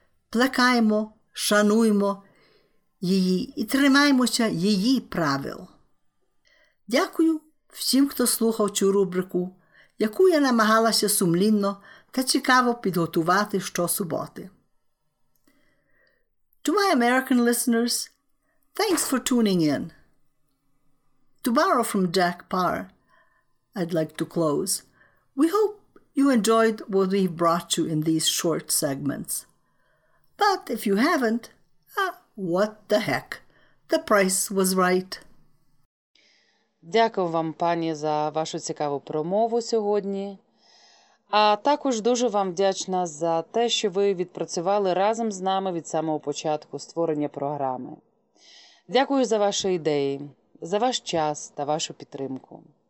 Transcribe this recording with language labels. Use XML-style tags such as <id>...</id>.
<uk>Плекаємо, шануємо її і тримаємося її правил. Дякую всім, хто слухав цю рубрику, яку я намагалася сумлінно та цікаво підготувати щосуботи.</uk> <en>To my American listeners, thanks for tuning in. To borrow from Jack Parr, I'd like to close. We hope you enjoyed what we've brought you in these short segments. But if you haven't, what the heck? The price was right.</en> <uk>Дякую вам, пані, за вашу цікаву промову сьогодні. А також дуже вам вдячна за те, що ви відпрацювали разом з нами від самого початку створення програми. Дякую за ваші ідеї, за ваш час та вашу підтримку.</uk>